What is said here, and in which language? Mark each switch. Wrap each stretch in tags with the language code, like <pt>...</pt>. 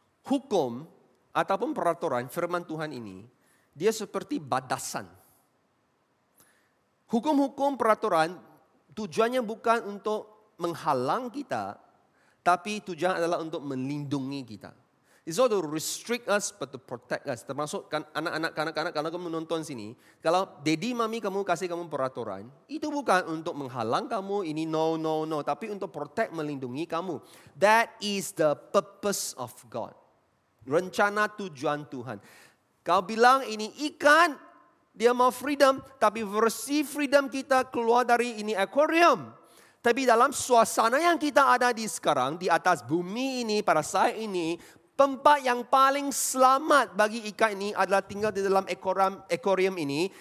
<ms>Hukum ataupun peraturan firman Tuhan ini, dia seperti batasan. Hukum-hukum peraturan tujuannya bukan untuk menghalang kita, tapi tujuan adalah untuk melindungi kita.</ms> <en>It's not to restrict us, but to protect us.</en> <ms>Termasuk kan anak-anak, kanak-kanak, kalau kamu menonton sini, kalau daddy, mami kamu kasih kamu peraturan, itu bukan untuk menghalang kamu, ini no, tapi untuk protect, melindungi kamu.</ms> <en>That is the purpose of God.</en> <ms>Rencana tujuan Tuhan. Kau bilang ini ikan, dia mau freedom, tapi versi freedom kita keluar dari ini aquarium. Tapi dalam suasana yang kita ada di sekarang, di atas bumi ini, pada saat ini, tempat yang paling selamat bagi ikan ini adalah tinggal di dalam aquarium ini.</ms>